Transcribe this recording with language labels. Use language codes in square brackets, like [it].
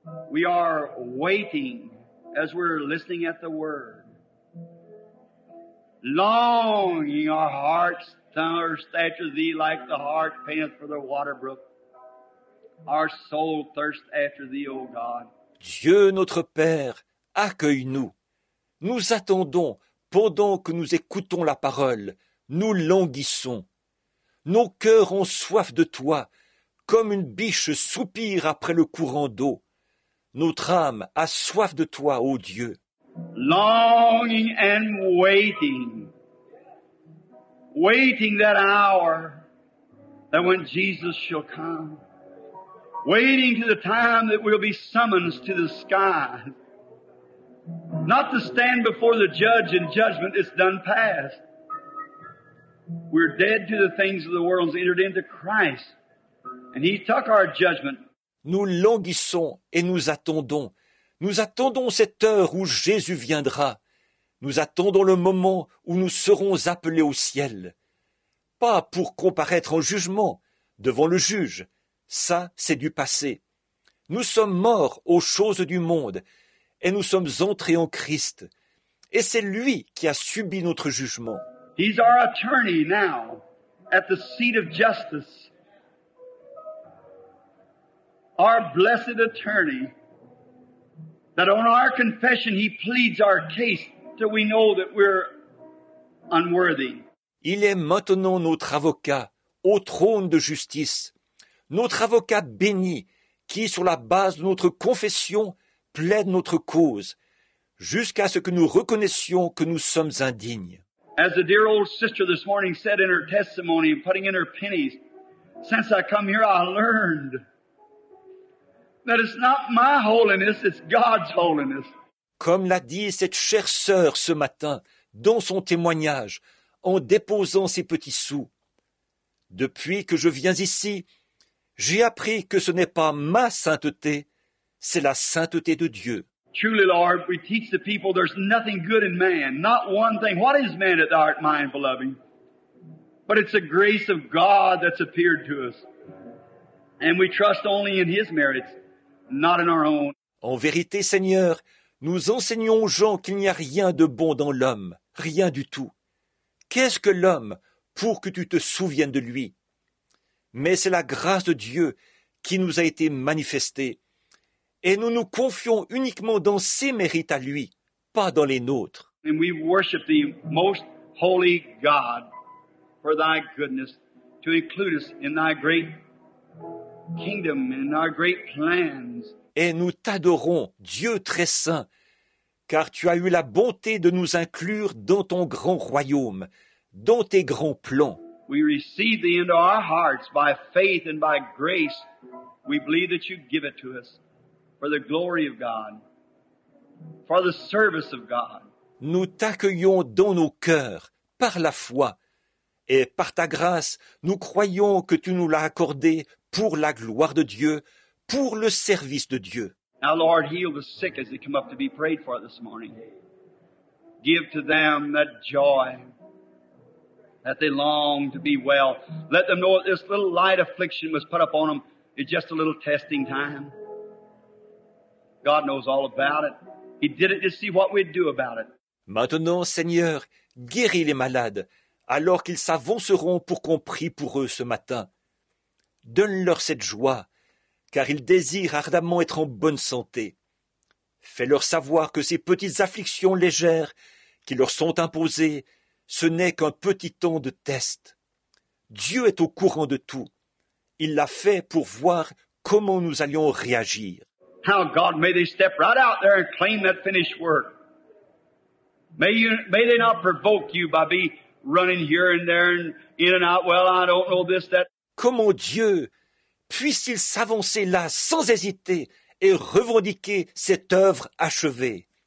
[en] We are waiting as we're listening at the word. Longing our hearts thirst after thee like the hart panteth for the water brook. Our soul thirsts after thee, O God. [fr] Dieu notre Père, accueille-nous. Nous attendons, pendant que nous écoutons la parole, nous languissons. Nos cœurs ont soif de toi, comme une biche soupire après le courant d'eau. Notre âme a soif de toi, ô Dieu. [en] Longing and waiting. Waiting that hour that when Jesus shall come. Waiting to the time that we'll be summoned to the sky. Not to stand before the judge in judgment, it's done past. We're dead to the things of the world, entered into Christ, and he took our judgment. [fr] Nous languissons et nous attendons. Nous attendons cette heure où Jésus viendra. Nous attendons le moment où nous serons appelés au ciel. Pas pour comparaître en jugement devant le juge. Ça, c'est du passé. Nous sommes morts aux choses du monde et nous sommes entrés en Christ. Et c'est lui qui a subi notre jugement. [en] He's our attorney now at the seat of justice. Our blessed attorney, that on our confession he pleads our case till we know that we're unworthy. [fr] Il est maintenant notre avocat au trône de justice, notre avocat béni qui, sur la base de notre confession, plaide notre cause jusqu'à ce que nous reconnaissions que nous sommes indignes. [en] As the dear old sister this morning said in her testimony, putting in her pennies, since I come here I learned that it's not my holiness, it's God's holiness. [fr] Comme l'a dit cette chère sœur ce matin, dans son témoignage, en déposant ses petits sous. Depuis que je viens ici, j'ai appris que ce n'est pas ma sainteté, c'est la sainteté de Dieu. [en] Truly, Lord, we teach the people there's nothing good in man, not one thing. What is man that thou art mindful, beloved? But it's the grace of God that's appeared to us. And we trust only in his merits. Not in our own. [fr] En vérité, Seigneur, nous enseignons aux gens qu'il n'y a rien de bon dans l'homme, rien du tout. Qu'est-ce que l'homme pour que tu te souviennes de lui? Mais c'est la grâce de Dieu qui nous a été manifestée, et nous nous confions uniquement dans ses mérites à lui, pas dans les nôtres. [en] And we worship thee, most holy God, for thy goodness, to include us in thy great kingdom and our great plans. [fr] Et nous t'adorons, Dieu très saint, car tu as eu la bonté de nous inclure dans ton grand royaume, dans tes grands plans. [en] We receive thee into our hearts by faith and by grace. We believe that you give it to us for the glory of God, for the service of God. [fr] Nous t'accueillons dans nos cœurs par la foi, et par ta grâce, nous croyons que tu nous l'as accordé pour la gloire de Dieu, pour le service de Dieu. [en] Now, Lord, heal the sick as they come up to be prayed for this morning. Give to them that joy that they long to be well. Let them know that this little light affliction was put upon them is just a little testing time. God knows all about it. He did it to see what we'd do about it. [fr] Maintenant, Seigneur, guéris les malades alors qu'ils s'avanceront pour qu'on prie pour eux ce matin. Donne-leur cette joie, car ils désirent ardemment être en bonne santé. Fais-leur savoir que ces petites afflictions légères qui leur sont imposées, ce n'est qu'un petit temps de test. Dieu est au courant de tout. Il l'a fait pour voir comment nous allions réagir. [en] How God, may they step right out there and claim that finished work. May they not provoke you by being running here and there and in and out. Well, I don't know this, that. [fr] Comment Dieu puisse-t-il s'avancer là sans hésiter et revendiquer cette œuvre achevée?